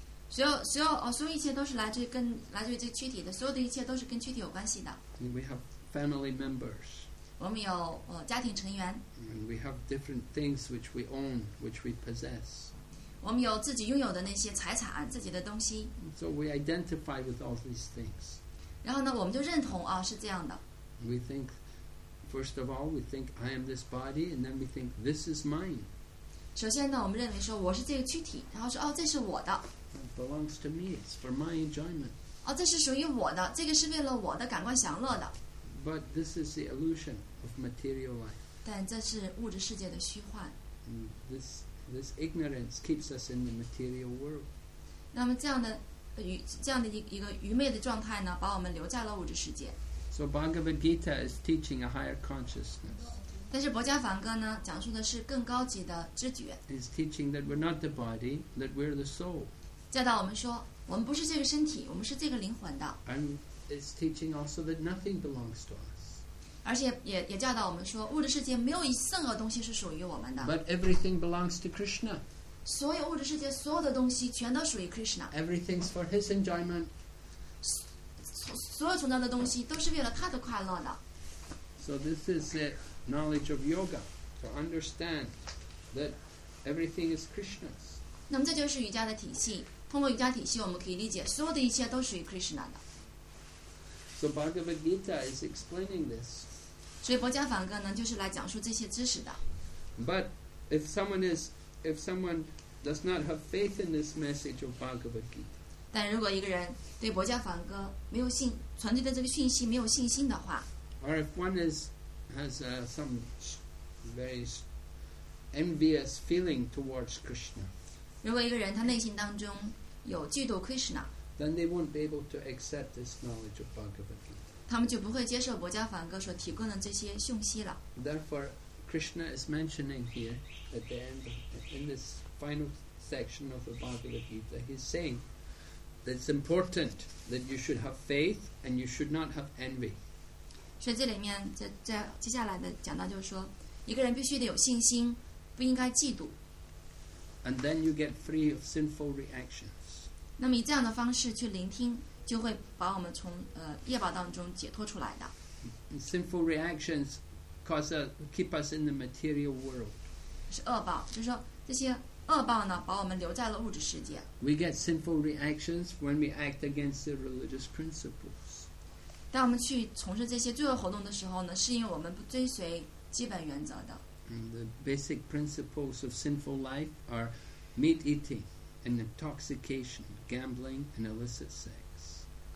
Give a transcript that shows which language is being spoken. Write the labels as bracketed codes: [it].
[zh] 所有一切都是来自于这躯体的，所有的一切都是跟躯体有关系的。 [en] We have family members. [zh] 我们有家庭成员。 [en] And we have different things which we own, which we possess. [zh] 我们有自己拥有的那些财产，自己的东西。 [en] So we identify with all these things. [zh] 然后呢，我们就认同是这样的。 [en] We think, first of all, we think I am this body, and then we think this is mine. [zh] 首先呢，我们认为说我是这个躯体，然后说这是我的。 [en] Belongs to me. It's for my enjoyment. [zh] 这是属于我的，这个是为了我的感官享乐的。 [en] But this is the illusion of material life. [zh] 但这是物质世界的虚幻。 [en] This ignorance keeps us in the material world. [zh] 那么这样的一个愚昧的状态呢，把我们留在了物质世界。 [en] So Bhagavad Gita is teaching a higher consciousness. [zh] 但是《薄伽梵歌》呢，讲述的是更高级的知觉。 [en] It's teaching that we're not the body, that we're the soul. [zh] 教导我们说，我们不是这个身体，我们是这个灵魂的。 [en] And it's teaching also that nothing belongs to us. [zh] 而且也教导我们说，物质世界没有一任何东西是属于我们的。 [en] But everything belongs to Krishna. [zh] 所有物质世界所有的东西全都属于 Krishna. [en] Everything's for his enjoyment. [zh] 所有存在的东西都是为了他的快乐的。 [en] So this is the knowledge of yoga to understand that everything is Krishna's. [zh] 那么这就是瑜伽的体系，通过瑜伽体系我们可以理解所有的一切都属于 Krishna 的。 [en] So Bhagavad Gita is explaining this. [zh] 所以薄伽梵歌呢，就是来讲述这些知识的。 [en] But if someone does not have faith in this message of Bhagavad Gita, [zh] 但如果一个人对薄伽梵歌没有信传递的这个讯息没有信心的话， [en] or if one has some very envious feeling towards Krishna, [zh] 如果一个人他内心当中有嫉妒 Krishna, [en] then they won't be able to accept this knowledge of Bhagavad Gita. [zh] 他们就不会接受薄伽梵歌所提供的这些讯息了。 [en] Therefore, Krishna is mentioning here at the end, in this final section of the Bhagavad Gita, he's saying, It's important that you should have faith and you should not have envy. [zh] 圣经里面接下来的讲到就是说 一个人必须得有信心,不应该嫉妒。 [en] And then you get free of sinful reactions. [zh] 那么以这样的方式去聆听,就会把我们从业报当中解脱出来的。 [en] Sinful reactions keep us in the material world. [zh] 是恶报,就是说这些恶报呢,把我们留在了物质世界。 [en] We get sinful reactions when we act against the religious principles. [zh] 当我们去从事这些罪恶活动的时候呢,是因为我们不追随 [en] And the basic principles of sinful life are meat eating and intoxication, gambling and illicit sex.